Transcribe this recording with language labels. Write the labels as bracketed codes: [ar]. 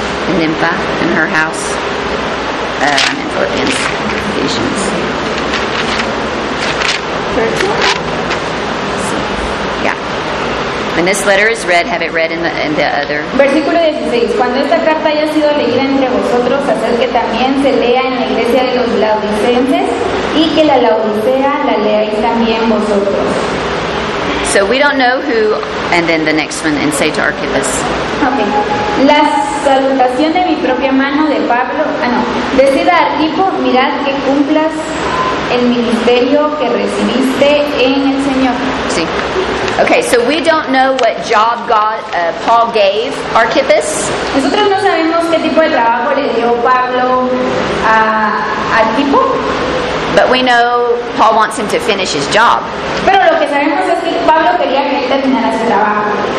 [en] In Nympha, in her house. I'm in Philippians. Ephesians. When this letter is read, have it read in the other. [es] Versículo 16. Cuando esta carta haya sido leída entre vosotros, haced que también se lea en la iglesia de los laodicenses y que la Laodicea la leáis también vosotros. [en] So we don't know who, and then the next one, and say to Archippus. Okay. [es] La salutación de mi propia mano de Pablo. Decid a Arquipo, mirad que cumplas el ministerio que recibiste en el Señor. Sí. [en] Okay, so we don't know what job Paul gave Archippus. [es] Nosotros no sabemos qué tipo de trabajo le dio Pablo a Arquipo. [en] But we know Paul wants him to finish his job. [es] Pero lo que sabemos es que Pablo quería que él terminara su trabajo.